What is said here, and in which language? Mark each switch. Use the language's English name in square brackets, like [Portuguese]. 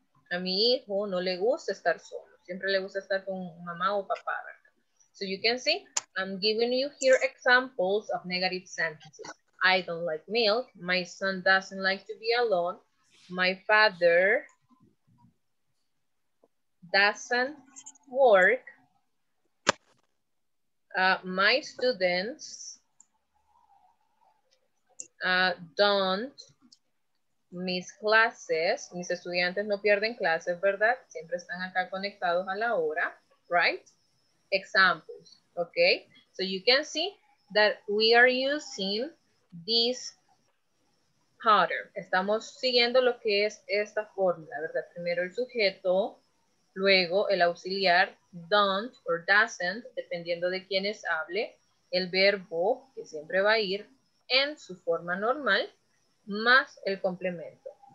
[Spanish] A mi hijo no le gusta estar solo. Siempre le gusta estar con mamá o papá, ¿verdad? [English] So you can see, I'm giving you here examples of negative sentences. I don't like milk. My son doesn't like to be alone. My father doesn't work. My students don't miss classes. [Spanish] Mis estudiantes no pierden clases, ¿verdad? Siempre están acá conectados a la hora, right? [English] Examples, okay? So you can see that we are using this pattern. [Spanish] Estamos siguiendo lo que es esta fórmula, ¿verdad? Primero el sujeto, luego el auxiliar, don't or doesn't, dependiendo de quienes hable, el verbo, que siempre va a ir en su forma normal, más el complemento.